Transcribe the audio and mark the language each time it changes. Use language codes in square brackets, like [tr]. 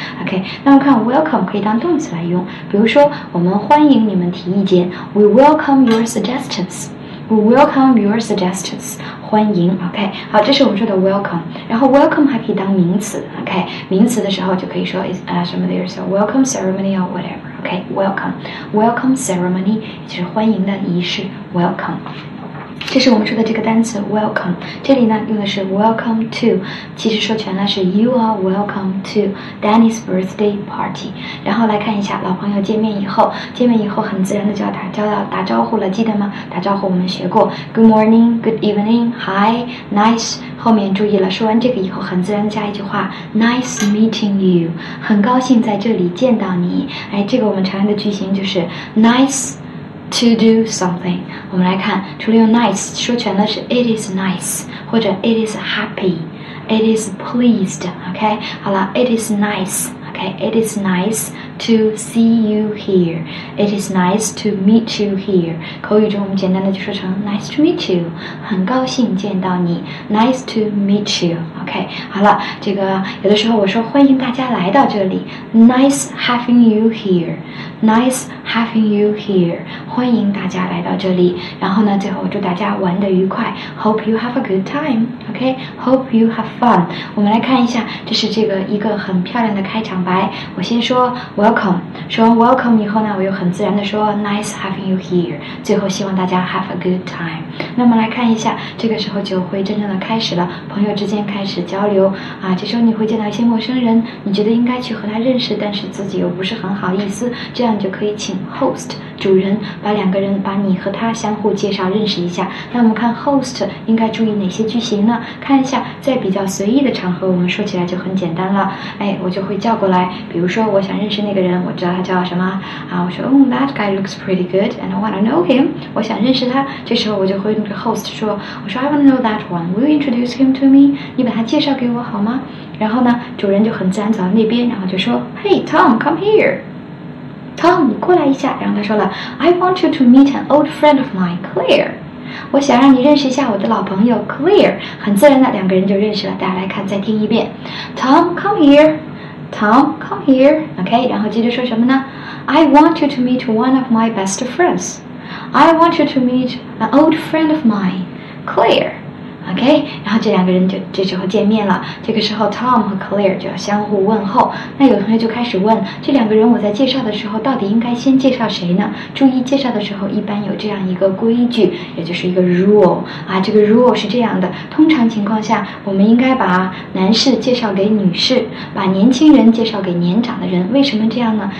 [zh] OK， 那我看 welcome 可以当动词来用，比如说我们欢迎你们提意见， [en] we welcome your suggestions。 We welcome your suggestions， [zh] 欢迎。OK， 好，这是我们说的 welcome。然后 welcome 还可以当名词。 OK， 名词的时候就可以说 [en] there's a welcome ceremony or whatever。 [zh] OK， welcome ceremony 也就是欢迎的仪式， welcome。这是我们说的这个单词 welcome， 这里呢用的是 welcome to， 其实说全了是 [en] you are welcome to Danny's birthday party。 [zh] 然后来看一下老朋友见面以后很自然的就要打招呼了，记得吗？打招呼我们学过 [en] good morning, good evening, hi, nice， [zh] 后面注意了，说完这个以后很自然加一句话 [en] nice meeting you， [zh] 很高兴在这里见到你。哎，这个我们常用的句型就是 [en] niceTo do something， [zh] 我们来看，除了用 nice， 说全了是 [en] it is nice， [zh] 或者 [en] it is happy， it is pleased， [zh] OK， 好了， it is nice， OK， [en] it is nice to see you here， it is nice to meet you here， [zh] 口语中我们简单的就说成 [en] nice to meet you， [zh] 很高兴见到你， nice to meet you， OK， 好了，这个有的时候我说欢迎大家来到这里， [en] nice having you here。 Nice having you here. [zh] 欢迎大家来到这里。然后呢，最后祝大家玩得愉快。 [en] Hope you have a good time. Okay? Hope you have fun. [zh] 我们来看一下，这是这个一个很漂亮的开场白。我先说 welcome. 说完 welcome 以后呢，我又很自然地说 [en] nice having you here. [zh] 最后希望大家 [en] have a good time. [zh] 那么来看一下，这个时候就会真正的开始了，朋友之间开始交流。啊，这时候你会见到一些陌生人，你觉得应该去和他认识，但是自己又不是很好意思。这样就可以请 host 主人把两个人把你和他相互介绍认识一下。那我们看 host 应该注意哪些句型呢？看一下，在比较随意的场合，我们说起来就很简单了。哎，我就会叫过来，比如说我想认识那个人，我知道他叫什么啊，我说 [en] oh that guy looks pretty good and I want to know him， [zh] 我想认识他。这时候我就会跟 host 说，我说 [en] I want to know that one， will you introduce him to me？ [zh] 你把他介绍给我好吗？然后呢，主人就很自然走到那边，然后就说 [en] Hey Tom， come here。 [zh] Tom， 你过来一下。然后他说了 [en] ，I want you to meet an old friend of mine, Claire。 [zh] 我想让你认识一下我的老朋友 Claire。很自然的，两个人就认识了。大家来看，再听一遍。 [en] Tom， come here。 Tom， come here。 OK， [zh] 然后接着说什么呢 [en] ？I want you to meet one of my best friends。 I want you to meet an old friend of mine, Claire。 [zh] OK， 然后这两个人就这时候见面了。这个时候 Tom 和 Claire 就要相互问候。那有同学就开始问，这两个人我在介绍的时候到底应该先介绍谁呢？注意，介绍的时候一般有这样一个规矩，也就是一个 rule 啊。这个 rule 是这样的，通常情况下我们应该把男士介绍给女士，把年轻人介绍给年长的人。为什么这样呢？